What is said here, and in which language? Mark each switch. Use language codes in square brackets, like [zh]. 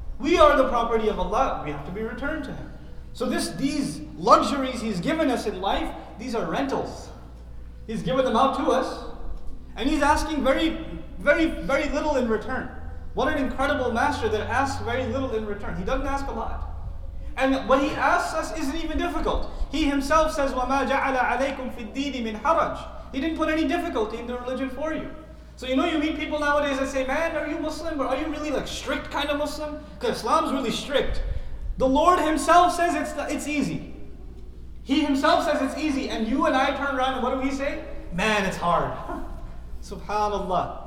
[en] We are the property of Allah. We have to be returned to Him. So these luxuries He's given us in life, these are rentals. He's given them out to us. And He's asking very, very, very little in return. What an incredible master that asks very little in return. He doesn't ask a lot. And what He asks us isn't even difficult. He Himself says, [ar] وَمَا جَعَلَ عَلَيْكُمْ فِي الدِّينِ مِنْ حَرَجٍ. [en] He didn't put any difficulty in the religion for you. So you know, you meet people nowadays that say, man, are you Muslim? Or are you really like strict kind of Muslim? Because Islam's really strict. The Lord Himself says it's easy. He Himself says it's easy. And you and I turn around and what do we say? Man, it's hard. SubhanAllah.